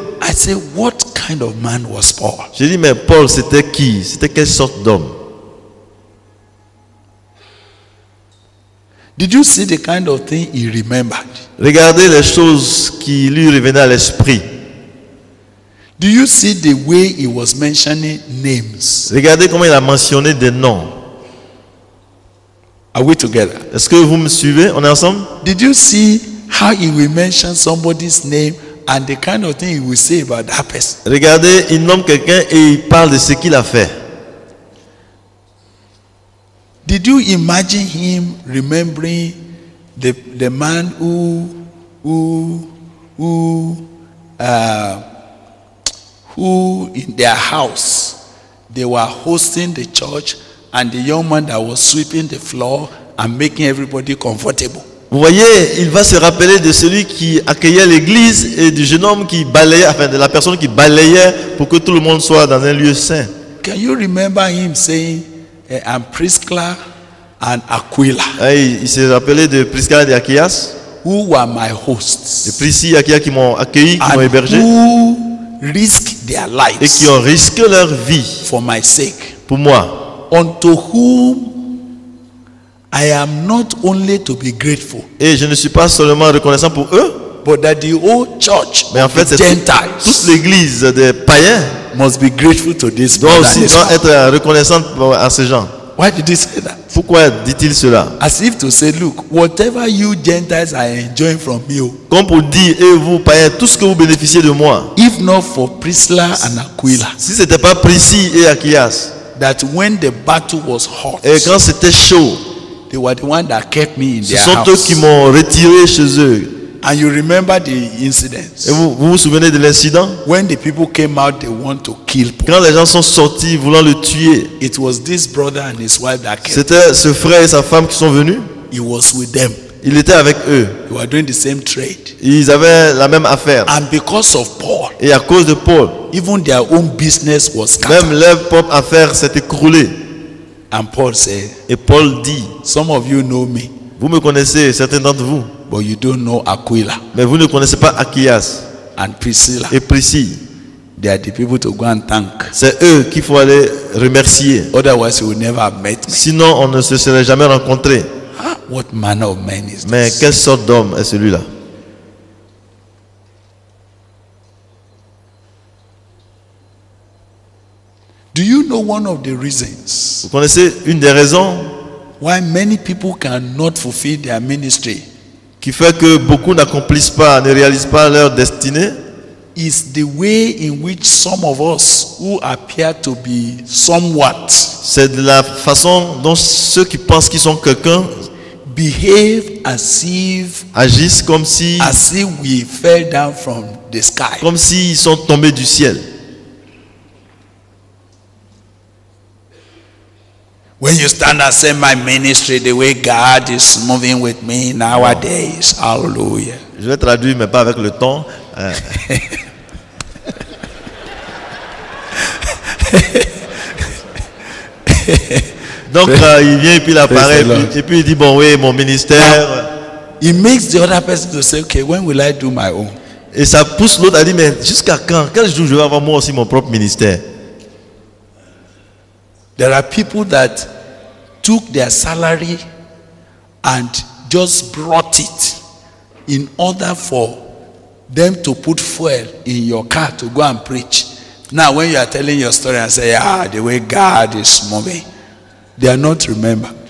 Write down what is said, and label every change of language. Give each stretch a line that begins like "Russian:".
English: I said, what kind of man was Paul?
French: J'ai dit, mais Paul, c'était qui? C'était quelle sorte d'homme?
English: Did you see the kind of thing he remembered?
French: Regardez les choses qui lui revenaient à l'esprit.
English: Do you see the way he was mentioning names?
French: Regardez comment il a mentionné des noms.
English: Are we together?
French: Est-ce que vous me suivez? On est ensemble?
English: Did you see how he will mention somebody's name and the kind of thing he will say about that person?
French: Regardez, il nomme quelqu'un et il parle de ce qu'il a fait.
English: Did you imagine him remembering the man who who in their house they were hosting the church, and the young man that was sweeping the floor and making everybody comfortable.
French: Vous voyez, il va se rappeler de celui qui accueillait l'église et du jeune homme qui balayait, enfin de la personne qui balayait pour que tout le monde soit dans un lieu saint.
English: Can you remember him saying, I'm Priscilla and Aquila?
French: Hey, il s'est rappelé de Priscilla et d'Aquilas.
English: Who were my hosts?
French: De Priscilla et Aquila qui m'ont accueilli, qui m'ont hébergé.
English: Who risked their lives?
French: Et qui ont risqué leur vie.
English: For my sake.
French: Pour moi.
English: Unto whom I am not only to be grateful.
French: Et je ne suis pas seulement reconnaissant pour eux.
English: But that the whole church,
French: mais en fait,
English: the Gentiles,
French: toute l'église des païens,
English: must be grateful to this
French: man. Doit aussi être reconnaissante à ces gens.
English: Why did he say that?
French: Pourquoi dit-il cela?
English: As if to say, look, whatever you Gentiles are enjoying from me.
French: Comme pour dire, et vous païens, tout ce que vous bénéficiez de moi.
English: If not for Priscilla and Aquila.
French: Si c'était pas Priscilla et Aquilas.
English: That when the battle was hot.
French: Et quand c'était chaud.
English: They were the ones that kept me in their house.
French: Ce sont eux qui m'ont retiré chez eux.
English: And you remember the incident?
French: Vous vous souvenez de l'incident?
English: When the people came out, they want to kill Paul.
French: Quand les gens sont sortis voulant le tuer.
English: It was this brother and his wife that came.
French: C'était ce frère et sa femme qui sont venus.
English: He was with them.
French: Il était avec eux.
English: They were doing the same trade.
French: Ils avaient la même affaire.
English: And because of Paul.
French: Et à cause de Paul.
English: Even their own business was scattered.
French: Même leur propre affaire s'est écroulée.
English: And Paul said.
French: Et Paul dit.
English: Some of you know me.
French: Vous me connaissez, certains d'entre vous.
English: But you don't know Aquila.
French: Mais vous ne connaissez pas Aquilas.
English: And Priscilla.
French: Et Priscilla.
English: They are the people to go and thank.
French: C'est eux qu'il faut aller remercier.
English: Otherwise, you will never have met me.
French: Sinon, on ne se serait jamais rencontré.
English: What manner of man is this?
French: Mais quelle sorte d'homme est celui-là?
English: Do you know one of the reasons?
French: Vous connaissez une des raisons?
English: Why many people cannot fulfill their ministry?
French: Qui fait que beaucoup n'accomplissent pas, ne réalisent pas leur destinée?
English: Is the way in which some of us who appear to be somewhat.
French: C'est de la façon dont ceux qui pensent qu'ils sont quelqu'un
English: behave as if
French: agissent comme si
English: as if we fell down from the sky.
French: Comme si ils sont tombés du ciel.
English: When you stand and say my ministry the way God is moving with me nowadays, hallelujah.
French: Je vais traduire mais pas avec le ton. Donc il vient et puis il apparaît et puis il dit bon oui mon ministère.
English: It makes the other person to say okay when will I do my own?
French: Et ça pousse l'autre à dire mais jusqu'à quand? Quel jour je vais avoir moi aussi mon propre ministère?
English: There are people that took their salary and just brought it in order for them to put fuel in your car to go and preach. Now, when you are telling your story and say, ah, the way God is moving, they are not remember.